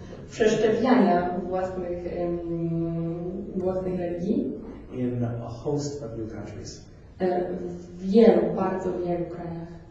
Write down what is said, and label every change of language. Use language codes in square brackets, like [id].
[pl] Przeszczepiania własnych, własnych religii [en] in a host of new countries. [pl] W wielu, bardzo wielu krajach.